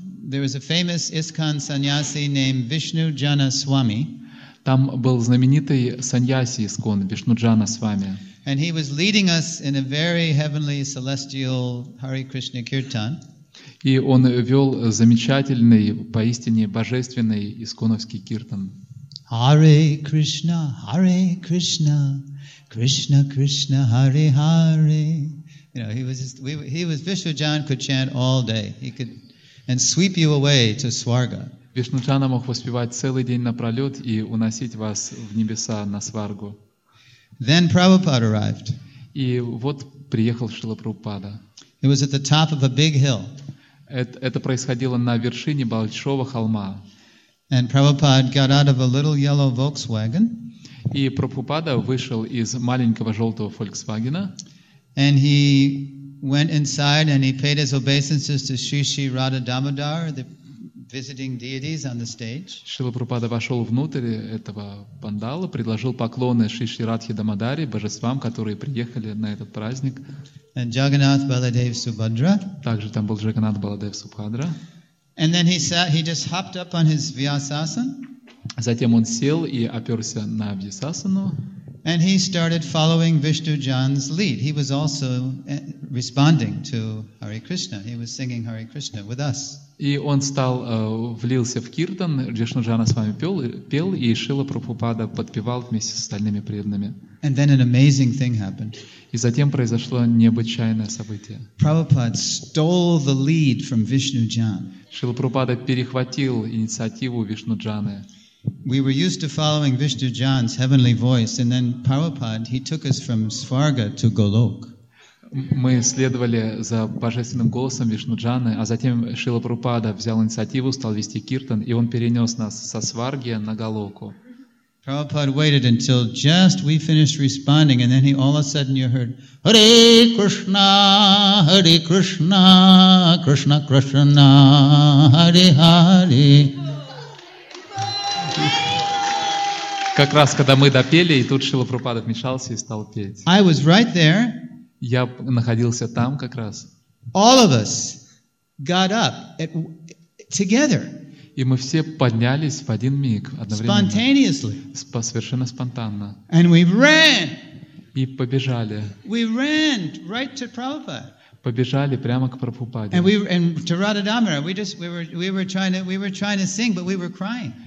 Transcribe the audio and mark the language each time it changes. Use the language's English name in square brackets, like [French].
[English] There was a famous ISKCON sannyasi named Vishnu Jana Swami. [Russian] Там был знаменитый саньяси ISKCON Вишну Джана Свами. [English] And he was leading us in a very heavenly celestial Hare Krishna kirtan. [Russian] И он вел замечательный, поистине божественный исконовский киртан. [Sanskrit] Hare Krishna, Hare Krishna, Krishna Krishna, Hare Hare. [English] You know, he was Vishnu Jan could chant all day. He could and sweep you away to Swarga. [Russian] Вишнуджана мог воспевать целый день напролет и уносить вас в небеса на Сваргу. [English] Then Prabhupada arrived. [Russian] И вот приехал Шрила Прабхупада. [English] It was at the top of a big hill. [Russian] Это происходило на вершине большого холма. [English] And Prabhupada got out of a little yellow Volkswagen. [Russian] И Прабхупада вышел из маленького желтого Volkswagen. [English] And he went inside and he paid his obeisances to Sri Sri Radha Damodar, the visiting deities on the stage. [Russian] Шрила Прабхупада вошел внутрь этого пандала, предложил поклоны Шри Шри Радхе Дамодаре, божествам, которые приехали на этот праздник. [English] And Jagannath Baladev Subhadra. [Russian] Также там был Джаганнат Баладев Субхадра. [English] And then he sat. He just hopped up on his Vyasasan. [Russian] Затем он сел и оперся на Вьясасану. [English] And he started following Vishnujan's lead. He was also responding to Hare Krishna. He was singing Hare Krishna with us. [Russian] И он стал влился в киртан. Вишнуджана с вами пел, и Шрила Прабхупада подпевал вместе с остальными преданными. [English] And then an amazing thing happened. [Russian] И затем произошло необычайное событие. [English] Prabhupada stole the lead from Vishnujan. [Russian] Шрила Прабхупада перехватил инициативу Вишнуджаны. [English] We were used to following Vishnujan's heavenly voice, and then Prabhupada, he took us from Svarga to Golok. [Russian] Мы следовали за божественным голосом Вишнуджаны, а затем Шрила Прабхупада взял инициативу, стал вести киртан, и он перенес нас со Сварги на Голоку. [English] Prabhupada waited until just we finished responding, and then he all of a sudden you heard Hare Krishna, Krishna Krishna, Hare Hare. [Russian] Как раз когда мы допели, и тут Шрила Прабхупада вмешался и стал петь. [English] I was right there. [Russian] Я находился там как раз. [English] All of us got up together. [Russian] И мы все поднялись в один миг одновременно. [English] Spontaneously. [Russian] Совершенно спонтанно. [English] And we ran. [Russian] И побежали. [English] We ran right to Prabhupada. [Russian] Побежали прямо к Прабхупаде. [English] And to Radha Damodara, we were trying to sing, but we were crying.